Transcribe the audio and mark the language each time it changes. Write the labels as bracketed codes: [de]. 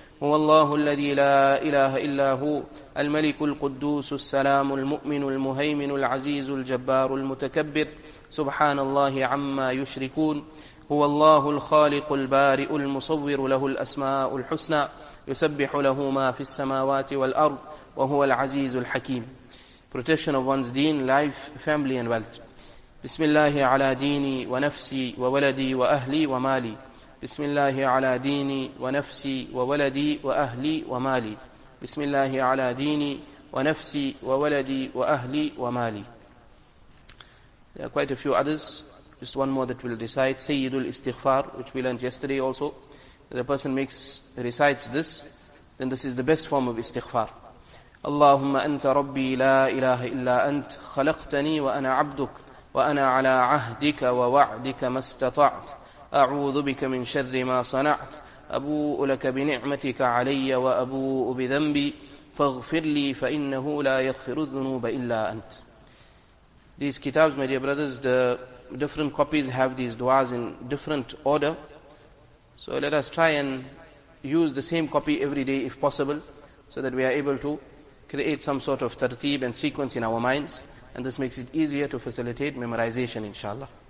[ar] هو الله الذي لا إله إلا هو الملك القدوس السلام المؤمن المهيمن العزيز الجبار المتكبر سبحان الله عما يشركون. هو الله الخالق البارئ المصور له الأسماء الحسنى يسبح له ما في السماوات والأرض وهو العزيز الحكيم. [en] Protection of one's deen, life, family and wealth. [ar] بسم الله على ديني ونفسي وولدي وأهلي ومالي. بسم الله على ديني ونفسي وولدي وأهلي ومالي. بسم الله على ديني ونفسي وولدي وأهلي ومالي. [en] There are quite a few others. Just one more that we'll recite. سيد الاستغفار, which we learned yesterday also. The person recites this, then this is the best form of استغفار. [ar] اللهم أنت ربي لا إله إلا أنت خلقتني وأنا عبدك وأنا على عهدك ووعدك ما استطعت أعوذ بك من شر ما صنعت أبوء لك بنعمتك علي وأبوء بذنبي فاغفر لي فإنه لا يغفر الذنوب إلا أنت. [en] These kitabs, my dear brothers, the different copies have these du'as in different order. So let us try and use the same copy every day if possible, so that we are able to create some sort of tartib and sequence in our minds, and this makes it easier to facilitate memorization, inshallah.